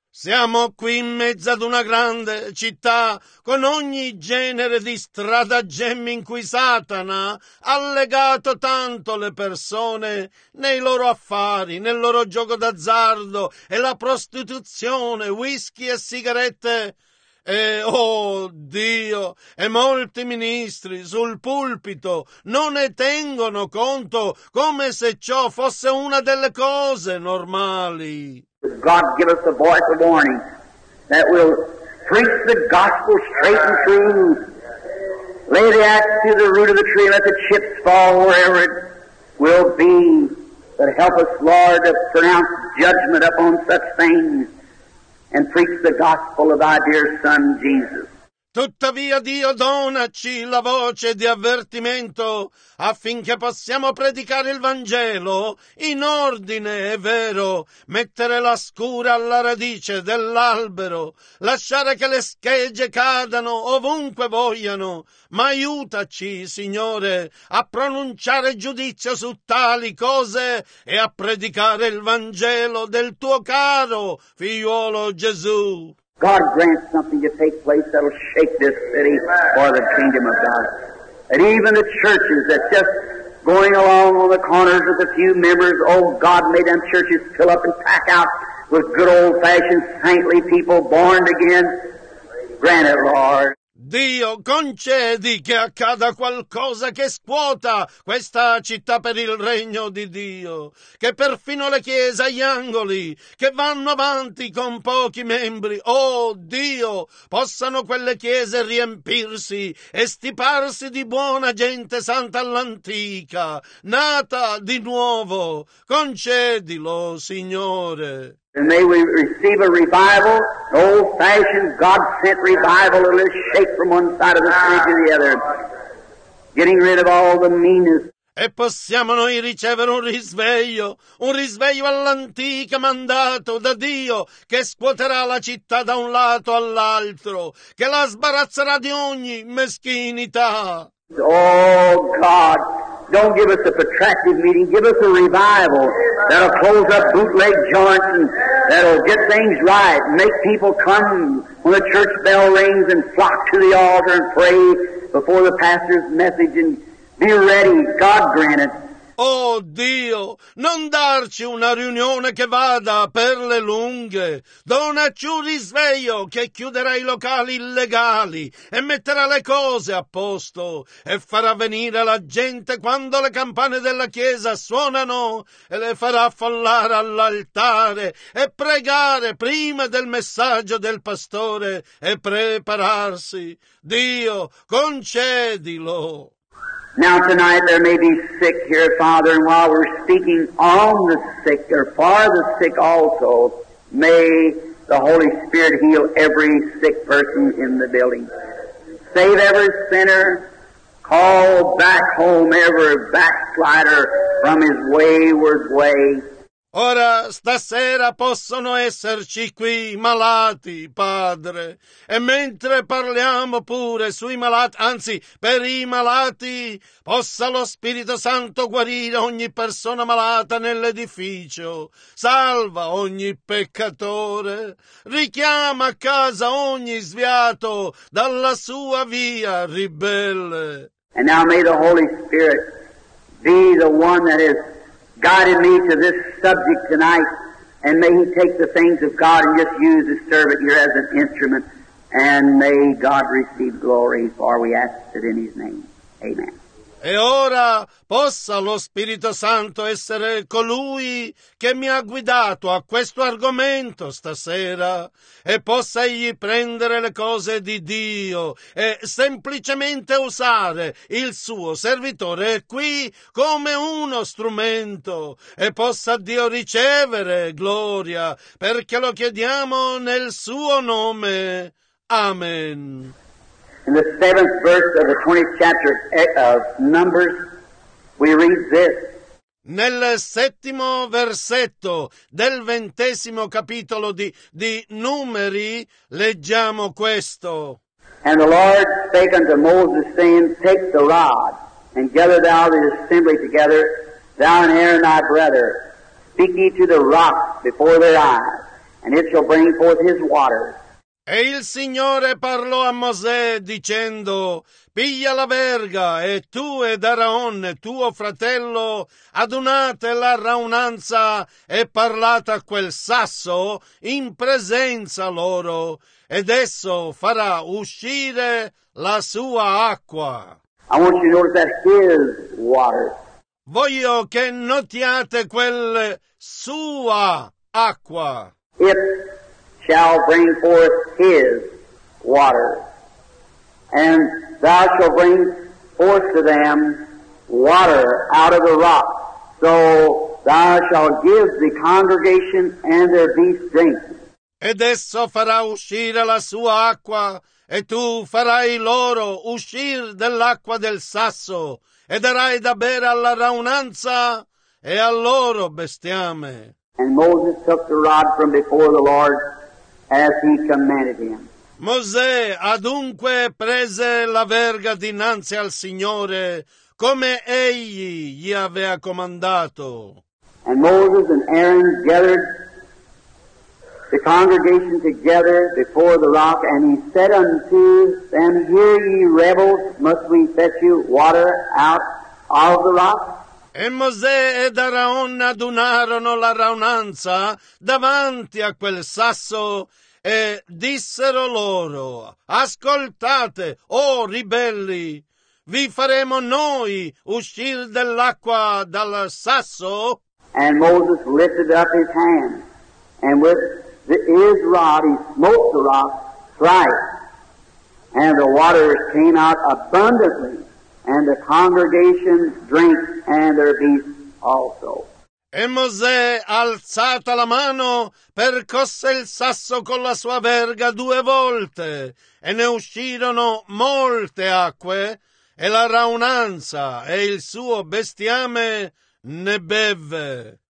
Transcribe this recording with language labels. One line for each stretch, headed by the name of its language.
Italian: Siamo qui in mezzo ad una grande città con ogni genere di stratagemmi in cui Satana ha legato tanto le persone nei loro affari, nel loro gioco d'azzardo e la prostituzione, whisky e sigarette. E, oh Dio, e molti ministri sul pulpito non ne tengono conto, come se ciò fosse una delle cose normali.
English: God give us a voice of warning that will preach the gospel straight and true. Lay the axe to the root of the tree, let the chips fall wherever it will be. But help us, Lord, to pronounce judgment upon such things. And preach the gospel of thy dear Son, Jesus.
Italian: Tuttavia Dio donaci la voce di avvertimento affinché possiamo predicare il Vangelo in ordine e vero, mettere la scura alla radice dell'albero, lasciare che le schegge cadano ovunque vogliano, ma aiutaci, Signore, a pronunciare giudizio su tali cose e a predicare il Vangelo del tuo caro figliuolo Gesù.
English: God grants something to take place that'll shake this city for the kingdom of God. And even the churches that's just going along on the corners with a few members, oh God, may them churches fill up and pack out with good old-fashioned saintly people born again. Grant it, Lord.
Italian: Dio, concedi che accada qualcosa che scuota questa città per il regno di Dio, che perfino le chiese agli angoli, che vanno avanti con pochi membri, oh Dio, possano quelle chiese riempirsi e stiparsi di buona gente santa all'antica, nata di nuovo. Concedilo, Signore.
English: And may we receive a revival, an old-fashioned, God-sent revival that will shake from one side of the street to the other, getting rid of all the meanness.
Italian: E possiamo noi ricevere un risveglio all'antica mandato da Dio che scuoterà la città da un lato all'altro, che la sbarazzerà di ogni meschinità.
English: Oh, God! Don't give us a protracted meeting. Give us a revival that'll close up bootleg joints and that'll get things right. Make people come when the church bell rings and flock to the altar and pray before the pastor's message and be ready. God grant it.
Italian: Oh Dio, non darci una riunione che vada per le lunghe. Donaci un risveglio che chiuderà i locali illegali e metterà le cose a posto e farà venire la gente quando le campane della chiesa suonano e le farà affollare all'altare e pregare prima del messaggio del pastore e prepararsi. Dio, concedilo.
English: Now tonight there may be sick here, Father, and while we're speaking on the sick or for the sick also, may the Holy Spirit heal every sick person in the building. Save every sinner. Call back home every backslider from his wayward way.
Italian: Ora stasera possono esserci qui malati, Padre, e mentre parliamo pure sui malati, anzi per i malati, possa lo Spirito Santo guarire ogni persona malata nell'edificio, salva ogni peccatore, richiama a casa ogni sviato dalla sua via ribelle.
English: And now may the Holy Spirit be the one that is guided me to this subject tonight, and may he take the things of God and just use his servant here as an instrument, and may God receive glory, for we ask it in his name. Amen.
Italian: E ora possa lo Spirito Santo essere colui che mi ha guidato a questo argomento stasera e possa egli prendere le cose di Dio e semplicemente usare il suo servitore qui come uno strumento e possa Dio ricevere gloria perché lo chiediamo nel suo nome. Amen.
English: In the 7th verse of the 20th chapter of Numbers, we read this.
Italian: Nel 7º versetto del 20º capitolo di Numeri, leggiamo questo.
English: And the Lord spake unto Moses, saying, Take the rod, and gather thou the assembly together, thou and Aaron thy brother. Speak ye to the rock before their eyes, and it shall bring forth his waters.
Italian: E il Signore parlò a Mosè dicendo, Piglia la verga e tu ed Aaron, tuo fratello, adunate la raunanza e parlate a quel sasso in presenza loro, ed esso farà uscire la sua acqua.
English: I want you to notice that his water.
Italian: Voglio che notiate quel sua acqua.
English: It shall bring forth his water, and thou shalt bring forth to them water out of the rock, so thou shalt give the congregation and their beasts drink.
Italian: ed esso farà uscire la sua acqua, e tu farai loro uscir dell'acqua del sasso, e darai da bere alla raunanza e al loro bestiame.
English: And Moses took the rod from before the Lord as he commanded him.
Italian: Mosè adunque prese la verga dinanzi al Signore come egli gli aveva comandato.
English: And Moses and Aaron gathered the congregation together before the rock, and he said unto them, Hear ye rebels, must we fetch you water out of the rock?
Italian: E Mosè ed Aaron adunarono la raunanza davanti a quel sasso e dissero loro, Ascoltate, o ribelli, vi faremo noi uscir dell'acqua dal sasso?
English: And Moses lifted up his hand, and with his rod he smote the rock thrice, and the water came out abundantly. And the congregation drank, and their beasts also.
Italian: E Mosè, alzata la mano, percosse il sasso con la sua verga due volte, e ne uscirono molte acque, e la raunanza e il suo bestiame ne bevve.